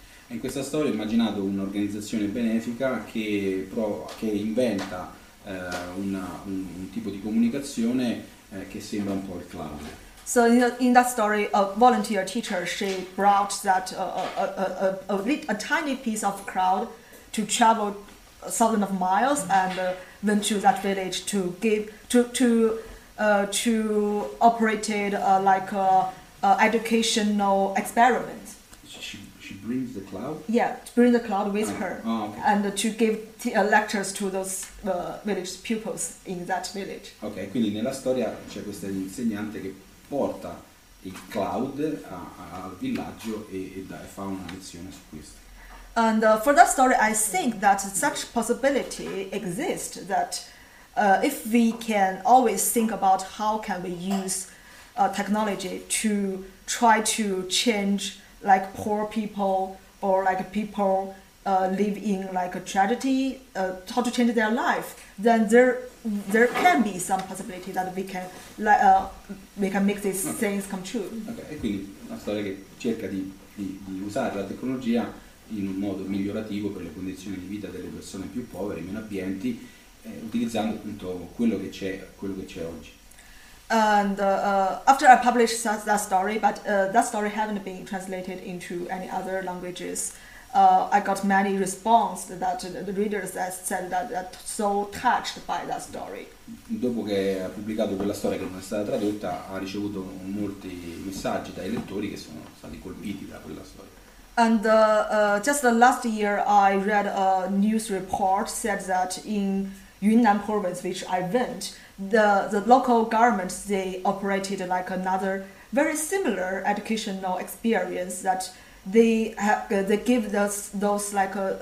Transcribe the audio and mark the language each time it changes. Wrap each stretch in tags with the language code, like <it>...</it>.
<it>In questa storia ho immaginato un'organizzazione benefica che inventa un tipo di comunicazione che sembra un po' il cloud.</it> <en>So in that story, a volunteer teacher, she brought that a tiny piece of cloud to travel thousands of miles and went to that village to give to operate like a educational experiment. She brings the cloud? Yeah, to bring the cloud with her Oh, okay. and to give lectures to those village pupils in that village.</en> <it>Ok, quindi nella storia c'è questa insegnante che porta il cloud al villaggio e fa una lezione su questo.</it> <en>And for that story, I think that such possibility exists, that if we can always think about how can we use technology to try to change like poor people or like people live in like a tragedy, how to change their life, then there can be some possibility that we can make these things come true.</en> <it>E quindi una storia che cerca di usare la tecnologia in un modo migliorativo per le condizioni di vita delle persone più povere, meno abbienti, utilizzando appunto quello che c'è oggi.</it> <en>And after I published that story, but that story haven't been translated into any other languages, I got many responses that the readers that said that so touched by that story.</en> <it>Dopo che ha pubblicato quella storia che non è stata tradotta, ha ricevuto molti messaggi dai lettori che sono stati colpiti da quella storia.</it> <en>And just the last year, I read a news report said that in Yunnan province, which I went, the local government, they operated like another very similar educational experience that they give those like</en>